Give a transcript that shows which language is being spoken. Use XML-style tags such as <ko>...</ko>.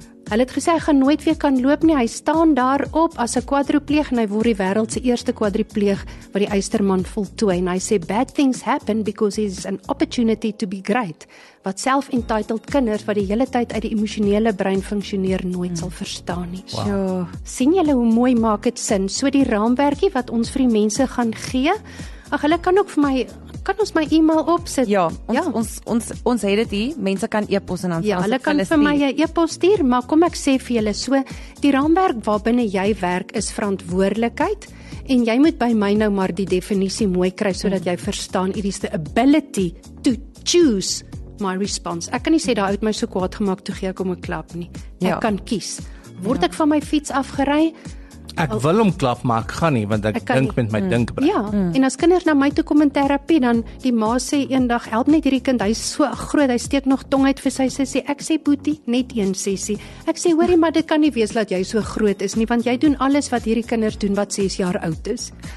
<af>Hulle het gesê, hy gaan nooit weer kan loop nie, hy staan daar op as 'n kwadripleeg, en hy word die wêreld se eerste kwadripleeg, wat die eysterman voltooi, en hy sê,</af> <en>bad things happen because it's an opportunity to be great,</en> <af>wat self-entitled kinders, wat die hele tyd uit die emosionele brein funksioneer, nooit sal verstaan nie. Wow. So, sien julle hoe mooi maak het sin, so die raamwerkie wat ons vir die mense gaan gee, ag, hulle kan ook vir my, kan ons my e-mail opsit? Ja, ons het dit hier, mense kan e-pos en dan ja, hulle kan vir my 'n e-pos stuur, maar kom ek sê vir julle, so die raamwerk waarbinne jy werk is verantwoordelikheid, en jy moet by my nou maar die definisie mooi kry, sodat jy verstaan,</af> <en>it is the ability to choose my response.</en> <af>Ek kan nie sê, daar het my so kwaad gemaak, toe gee ek om 'n klap nie. Ek kan kies. Word ek van my fiets afgery? Ek wil hom klap, maar ek gaan nie, want ek dink met my dinkbrein. Ja, en as kinders na my toe kom in terapie, dan die ma sê eendag, help net hierdie kind, hy is so groot, hy steek nog tong uit vir sy sussie. Ek sê, boetie, net een sessie. Ek sê, hoorie, maar dit kan nie wees dat jy so groot is nie, want jy doen alles wat hierdie kinders doen wat 6 jaar oud is.</af>